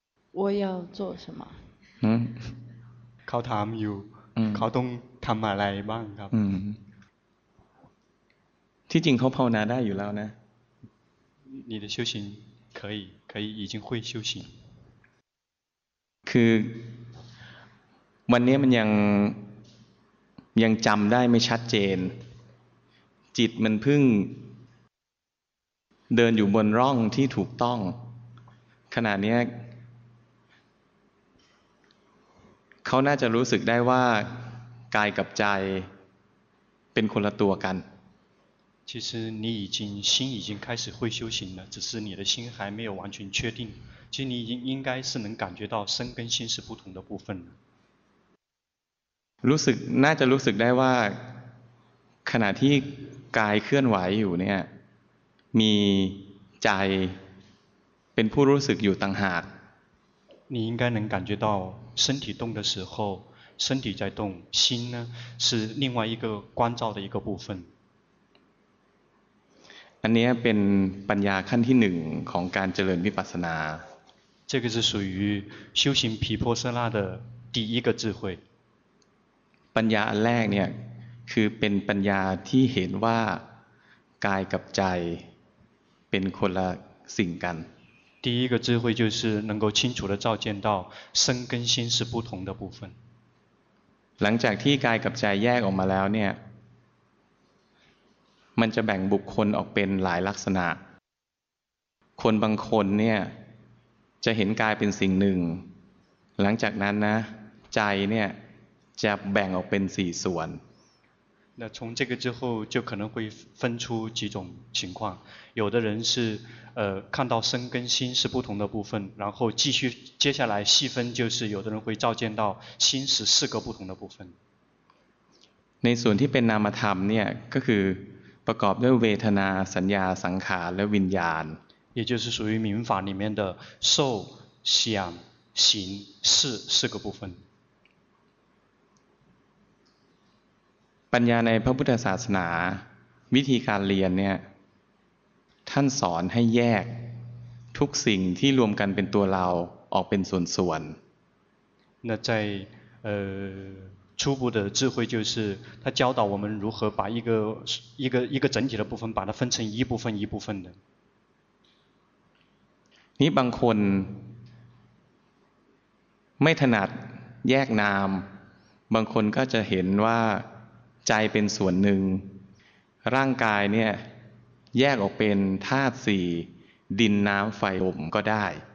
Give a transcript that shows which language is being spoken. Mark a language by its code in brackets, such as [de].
[zh] 我要做什么 เ [th] ขาถามอยู่ เขาต้องทำอะไรบ้างครับ ที่จริงเขาภาวนาได้อยู่แล้วนะ [zh] 你的修行可以可以已经会修行 [th] คือวันนี้มันยังจำได้ไม่ชัดเจนจิตมันเพิ่งเดินอยู่บนร่องที่ถูกต้องขณะนี้เขาน่าจะรู้สึกได้ว่ากายกับใจเป็นคนละตัวกัน [zh] 其实你已经心已经开始会修行了，只是你的心还没有完全确定。其实你已经应该是能感觉到身跟心是不同的部分 [th] 了。รู้สึกน่าจะรู้สึกได้ว่าขณะที่กายเคลื่อนไหวอยู่เนี่ยมีใจเป็นผู้รู้สึกอยู่ต่างหาก。 [zh] 你应该能感觉到身体动的时候，身体在动，心呢是另外一个关照的一个部分。 [th] อันนี้เป็นปัญญาขั้นที่หนึ่งของการเจริญวิปัสสนา [zh] 这个是属于修行毗婆舍那的第一个智慧 [th] ปัญญาอันแรกเนี่ยคือเป็นปัญญาที่เห็นว่ากายกับใจเป็นคนละสิ่งกัน [zh] 第一个智慧就是能够清楚地照见到身跟心是不同的部分 [th] หลังจากที่กายกับใจแยกออกมาแล้วเนี่ยมันจะแบ่งบุคคลออกเป็นหลายลักษณะคนบางคนเนี่ยจะเห็นกายเป็นสิ่งหนึ่งหลังจากนั้นนะใจเนี่ยจะแบ่งออกเป็นสี่ส่วน [zh] 那从这个之后就可能会分出几种情况有的人是看到身跟心是不同的部分然后继续接下来细分就是有的人会照见到心是四个不同的部分 [th] ในส่วนที่เป็นนามธรรมเนี่ยก็คือประกอบด้วยเวทนาสัญญาสังขารและวิญญาณ [zh] 也就是属于民法里面的受想行识四个部分 [th] ปัญญาในพระพุทธศาสนาวิธีการเรียนเนี่ยท่านสอนให้แยกทุกสิ่งที่รวมกันเป็นตัวเราออกเป็นส่วน [zh] ๆ那在初步的智慧就是他教导我们如何把一个整体的部分把它分成一部分一部分的 [th] นี่บางคนไม่ถนัดแยกนามบางคนก็จะเห็นว่าใจเป็นส่วนหนึ่งร่างกายเนี่ยแยกออกเป็นธาตุสี่ดินน้ำไฟลมก็ได้